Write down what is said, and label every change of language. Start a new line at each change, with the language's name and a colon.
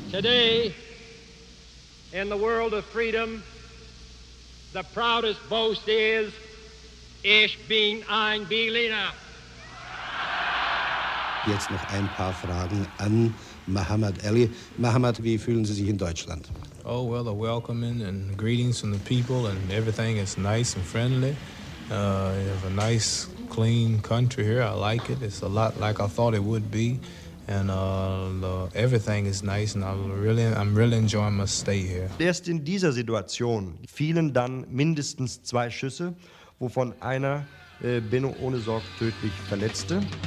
English: Today, in the world of freedom, the proudest boast is,
German: ich bin ein Berliner. Jetzt noch ein paar Fragen an Muhammad Ali. Muhammad, wie fühlen Sie sich in Deutschland?
English: Oh, well, the welcoming and greetings from the people and everything is nice and friendly. You have a nice, clean country here. I like it. It's a lot like I thought it would be. And everything is nice and I'm really enjoying my stay here.
German: Erst in dieser Situation fielen dann mindestens zwei Schüsse, wovon einer Benno ohne Sorg tödlich verletzte.